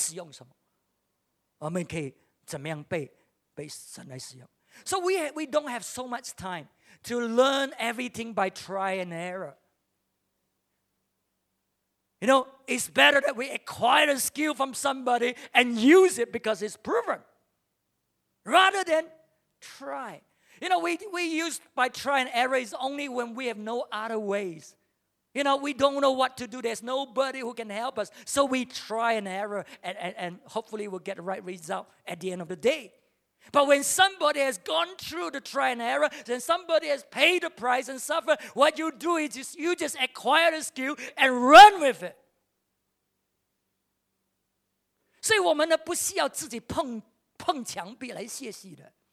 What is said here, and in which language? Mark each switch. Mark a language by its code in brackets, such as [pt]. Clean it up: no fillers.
[zh] 所以我们需要在哪里可以学习，我们学习，而不是一直斥责、批评。我们可以学习什么？我们可以使用什么？我们可以 怎么样被神来使用? [en] So we don't have so much time to learn everything by try and error. You know, it's better that we acquire a skill from somebody and use it because it's proven, rather than try. You know, we use by try and error is only when we have no other ways. You know, we don't know what to do. There's nobody who can help us. So we try and error, and hopefully we'll get the right result at the end of the day. But when somebody has gone through the try and error, then somebody has paid the price and suffered, what you do is you just acquire the skill and run with it. [zh] 所以我们呢不需要自己碰碰墙壁来学习的。